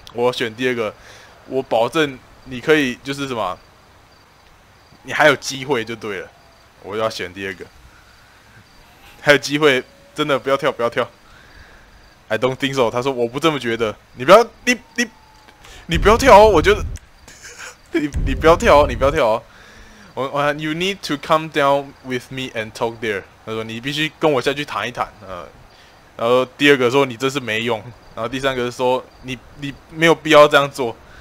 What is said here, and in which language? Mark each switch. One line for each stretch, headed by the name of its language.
Chinese: 我选第二个，我保证你可以就是什么，你还有机会就对了。我要选第二个，还有机会，真的不要跳，不要跳。
English: I don't think so。
Chinese: 他说我不这么觉得，你不要你不要跳哦，我觉得你不要跳哦，你不要跳哦。我
English: You need to come down with me and talk there。
Chinese: 他说你必须跟我下去谈一谈。然后第二个说你真是没用，然后第三个说你没有必要这样做。